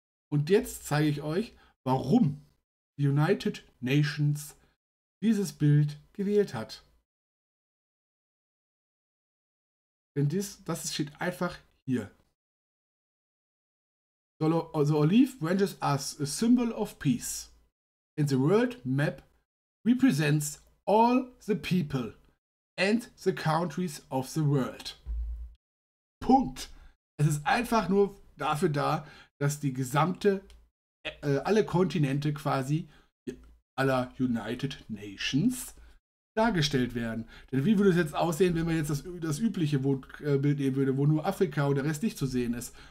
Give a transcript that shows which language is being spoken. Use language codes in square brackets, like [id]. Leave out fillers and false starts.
[de] Und jetzt zeige ich euch, warum die United Nations dieses Bild gewählt hat. Denn das steht einfach hier. [en] The olive branches as a symbol of peace. And the world map represents all the people and the countries of the world. [de] Punkt. Es ist einfach nur dafür da, dass die gesamte, alle Kontinente quasi aller United Nations dargestellt werden. Denn wie würde es jetzt aussehen, wenn man jetzt das übliche Bild nehmen würde, wo nur Afrika und der Rest nicht zu sehen ist?